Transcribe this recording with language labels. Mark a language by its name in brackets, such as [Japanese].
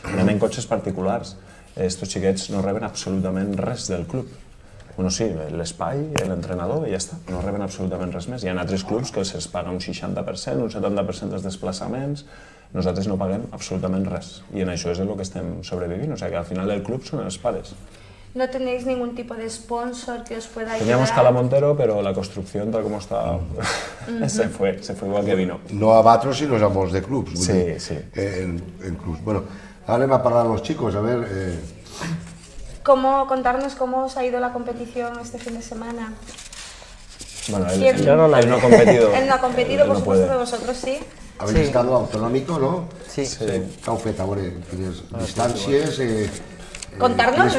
[Catalan] Anem en cotxes particulars. Estos xiquets no reben absolutament res del club. Bueno, sí, l'espai, l'entrenador i ja està. No reben absolutament res més. Hi ha altres clubs que se'ls paga un 60%, un 70% dels desplaçaments. Nosaltres no paguem absolutament res. I en això és el que estem sobrevivint. O sigui, que al final el club són els pares. [Spanish] ¿No tenéis ningún tipo de sponsor que os pueda ayudar? Teníamos Cala Montero, pero la construcción, tal como está, se fue igual que vino. [Catalan] No a Batros, sino a molts de clubs. Sí, sí. En clubs. Bueno, ara anem a parlar amb els xicos, a veure... [Spanish] Contarnos cómo os ha ido la competición este fin de semana. Bueno, él no ha competido. Él no ha competido, por supuesto, de vosotros sí. Habéis estado autonómico, ¿no? Sí. ¿Qué habéis hecho? A ver, tienes distancias, contarnos,